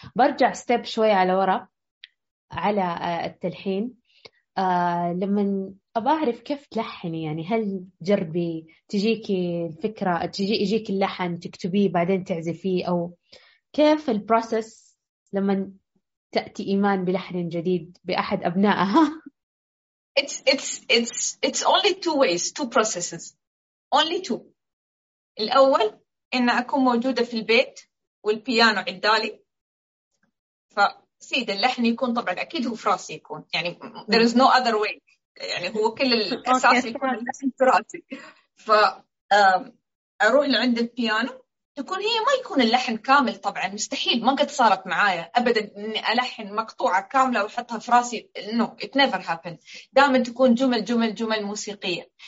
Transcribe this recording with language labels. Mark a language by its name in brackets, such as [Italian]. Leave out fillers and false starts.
[Arabic] برجع ستيب شوي على ورا على التلحين، لما أبغى أعرف كيف تلحني، يعني هل جربي تجيكي الفكرة تجيك اللحن تكتبيه بعدين تعزفيه، أو كيف البروسس لما تأتي إيمان بلحن جديد بأحد أبنائها؟ [English] It's only two ways, two processes, only two. [Arabic] الأول إن أكون موجودة في البيت والبيانو عدالي، فسيد اللحن يكون طبعا أكيد هو فراسي يكون، يعني [English] there is no other way، [Arabic] يعني هو كل الأساس يكون فراسي. فأروح لعند البيانو، تكون هي ما يكون اللحن كامل طبعا، مستحيل، ما قد صارت معايا ابدا اني الحن مقطوعه كامله واحطها في راسي، [English] no it never happen, [Arabic] دائما تكون جمل جمل جمل موسيقيه.